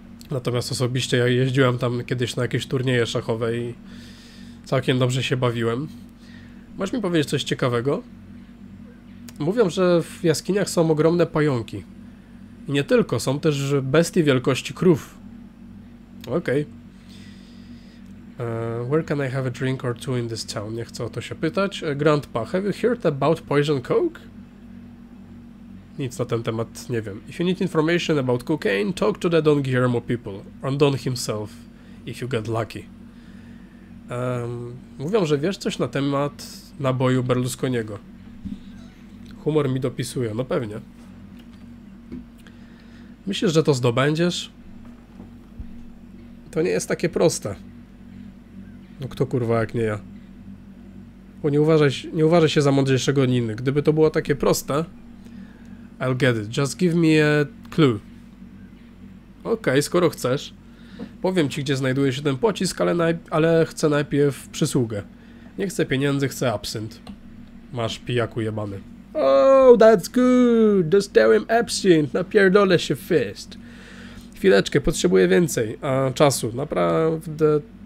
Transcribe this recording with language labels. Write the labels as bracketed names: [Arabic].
[Polish] Natomiast osobiście ja jeździłem tam kiedyś na jakieś turnieje szachowe i całkiem dobrze się bawiłem. Możesz mi powiedzieć coś ciekawego? Mówią, że w jaskiniach są ogromne pająki. I nie tylko, są też bestie wielkości krów. Okej. [English] Where can I have a drink or two in this town? [Polish] Nie chcę o to się pytać. [English] Grandpa, have you heard about poison coke? [Polish] Nic na ten temat nie wiem. [English] If you need information about cocaine, talk to the Don Guillermo people. Or Don himself, if you get lucky. [Polish] Mówią, że wiesz coś na temat naboju Berlusconiego. Humor mi dopisuje, no pewnie. Myślisz, że to zdobędziesz? To nie jest takie proste. No kto kurwa jak nie ja? Bo nie uważaj się za mądrzejszego od innych. Gdyby to było takie proste... [English] I'll get it, just give me a clue. [Polish] Okej, skoro chcesz. Powiem ci, gdzie znajduje się ten pocisk, ale chcę najpierw przysługę. Nie chcę pieniędzy, chcę absynt. Masz pijaku jebany. [English] Oh, that's good! [Polish] Dostałem absynt! Napierdolę się fist! Chwileczkę, potrzebuję więcej czasu. Naprawdę...